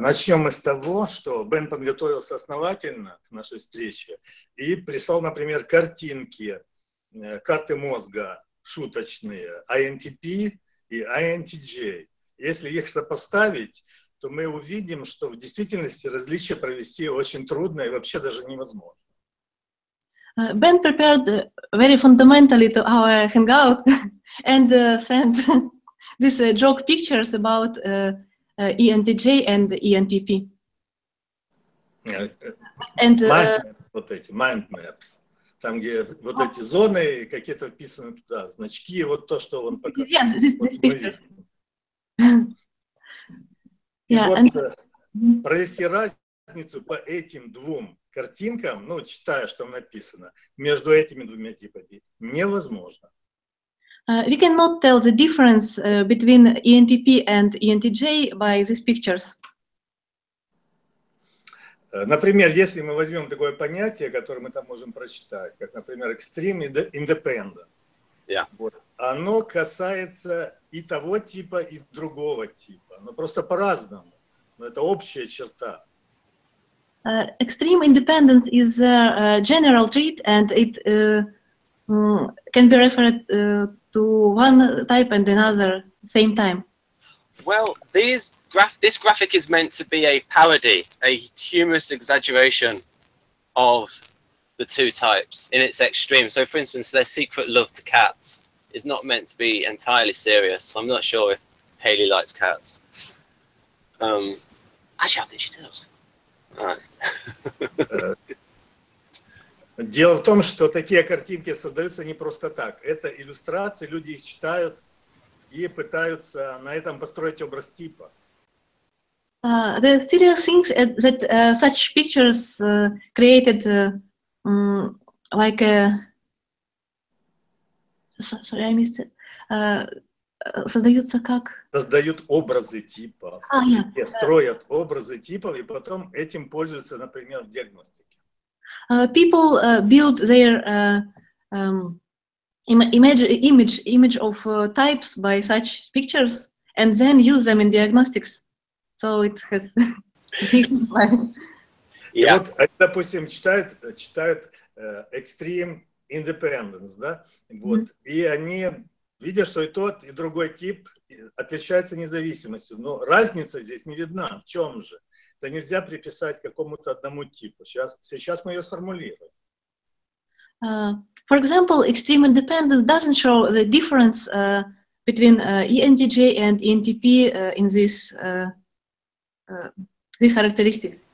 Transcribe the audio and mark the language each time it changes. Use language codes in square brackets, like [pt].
[ru] Начнем мы с того, что Бен подготовился основательно к нашей встрече и прислал, например, картинки, карты мозга шуточные, INTp, и INTj. Если их сопоставить, то мы увидим, что в действительности различие провести очень трудно и вообще даже невозможно. [en] Ben prepared very fundamentally to our hangout and sent this joke pictures about INTj and INTp. And [ru] вот эти [en] mind maps. [ru] Там, где вот эти зоны, какие-то вписаны туда, значки, вот то, что он показал. [en] Yes, this picture. [ru] Вот, провести разницу по этим двум картинкам, ну, читая, что написано, между этими двумя типами, невозможно. [en] We cannot tell the difference between INTp and INTj by these pictures. [ru] Например, если мы возьмем такое понятие, которое мы там можем прочитать, как, например, [en] extreme independence, yeah. [ru] Вот, оно касается и того типа, и другого типа, но просто по-разному, но это общая черта. [en] Extreme independence is a general trait, and it can be referred to one type and another same time. Well, this graphic is meant to be a parody, a humorous exaggeration of the two types in its extreme. So, for instance, their secret love to cats is not meant to be entirely serious. So I'm not sure if Haley likes cats. Actually, I think she does. All right. [ru] Дело в том, что такие картинки создаются не просто так. Это иллюстрации, люди их читают. И пытаются на этом построить образ типа. [en] The theory thinks that such pictures created like a... Sorry, I missed it. [ru] Создаются как? Создают образы типа. [en] Ah, yeah. [ru] Строят образы типов и потом этим пользуются, например, в диагностике. [en] People build their... Image of types by such pictures and then use them in diagnostics. So it has. [ru] Вот, допустим, читают [en] extreme independence, [ru] да? Вот. Mm-hmm. И они видят, что и тот, и другой тип отличаются независимостью. Но разница здесь не видна. В чем же? Это нельзя приписать какому-то одному типу. Сейчас мы ее сформулируем. [en] For example, extreme independence doesn't show the difference between INTj and INTp in these characteristics.